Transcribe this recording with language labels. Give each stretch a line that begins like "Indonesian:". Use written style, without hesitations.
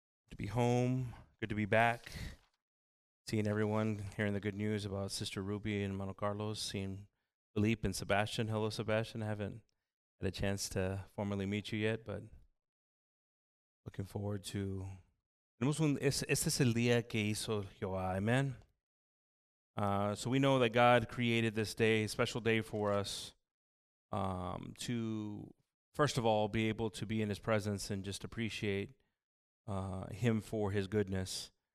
English: To be home, good to be back, seeing everyone, hearing the good news about Sister Ruby and Mano Carlos, seeing Philippe and Sebastian. Hello, Sebastian. I haven't had a chance to formally meet you yet, but looking forward to...
Spanish: Este es el día que hizo Jehová.
English: Amen. So we know that God created this day, a special day for us, to, first of all, be able to be in his presence and just appreciate him for his goodness.